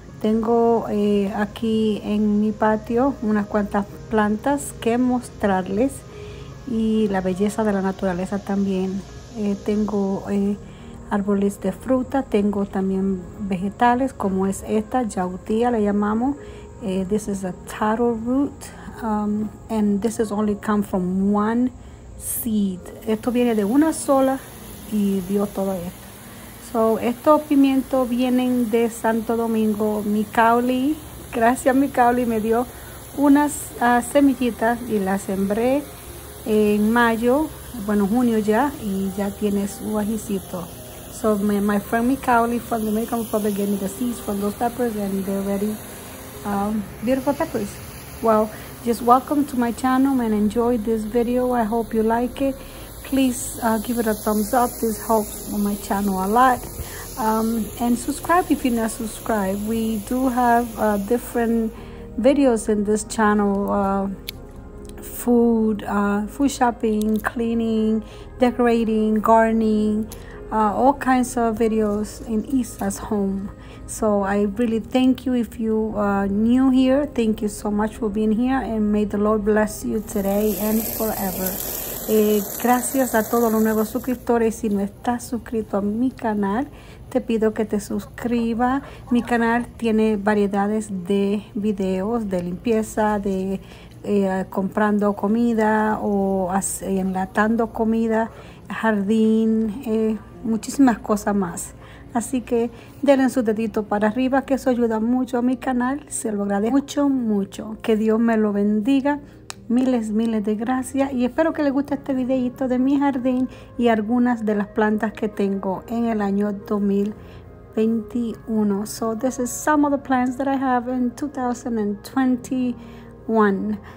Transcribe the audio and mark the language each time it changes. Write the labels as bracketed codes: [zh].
[es] Tengo aquí en mi patio unas cuantas plantas que mostrarles. Y la belleza de la naturaleza también. Tengo árboles de fruta, tengo también vegetales como es esta, yautía la llamamos. [en] This is a taro root, and this is only come from one seed. [es] Esto viene de una sola y dio todo esto. So, estos pimientos vienen de Santo Domingo. Micauli, gracias Micauli, me dio unas semillitas y las sembré en mayo, bueno, junio ya, y ya tiene su ajicito. [en] So my friend Micauli from the Dominican Republic gave me the seeds from those peppers and they're ready. Beautiful peppers. Well, just welcome to my channel and enjoy this video. I hope you like it. Please give it a thumbs up. This helps my channel a lot. And subscribe if you're not subscribed. We do have different videos in this channel. Food shopping, cleaning, decorating, gardening, all kinds of videos in Isa's home. So I really thank you if you are new here. Thank you so much for being here and may the Lord bless you today and forever. [es] Gracias a todos los nuevos suscriptores. Si no estás suscrito a mi canal, te pido que te suscriba. Mi canal tiene variedades de videos de limpieza, de comprando comida o enlatando comida, jardín, muchísimas cosas más. Así que denle su dedito para arriba, que eso ayuda mucho a mi canal. Se lo agradezco mucho, mucho. Que Dios me lo bendiga. Miles, miles de gracias. Y espero que les guste este videito de mi jardín y algunas de las plantas que tengo en el año 2021. [en] So this is some of the plants that I have in 2021.